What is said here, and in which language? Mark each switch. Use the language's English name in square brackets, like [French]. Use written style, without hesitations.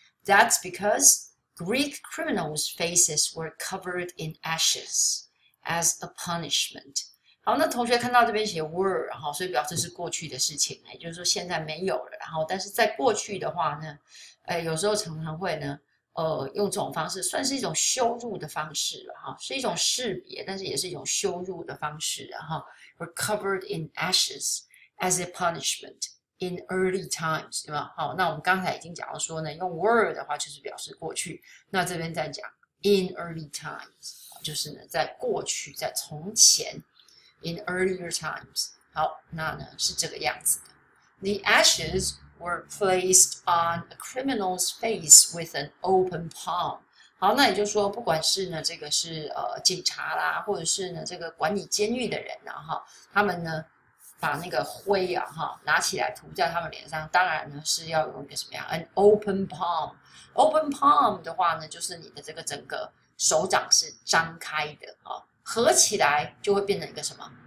[English] That's because Greek criminals' faces were covered in ashes as a punishment. [Chinese] 好，那同学看到这边写 were, 然后所以表示是过去的事情，也就是说现在没有了。然后，但是在过去的话呢？哎，有时候常常会呢，用这种方式算是一种羞辱的方式哈，是一种识别，但是也是一种羞辱的方式哈。 [English] Were covered in ashes as a punishment in early times， [Chinese] 对吗？好，那我们刚才已经讲到说呢，用 were 的话就是表示过去，那这边再讲 [English] in early times， [Chinese] 就是呢在过去，在从前 [English] in earlier times。 [Chinese] 好，那呢是这个样子的 ， [English] the ashes。 Were placed on a criminal's face with an open palm. [Chinese] 好，那也就是说，不管是呢，这个是警察啦，或者是呢，这个管理监狱的人呢，哈，他们呢，把那个灰啊，哈，拿起来涂在他们脸上，当然呢是要用一个什么样 ？ [English] An open palm. Open palm [Chinese] 的话呢，就是你的这个整个手掌是张开的啊，合起来就会变成一个什么？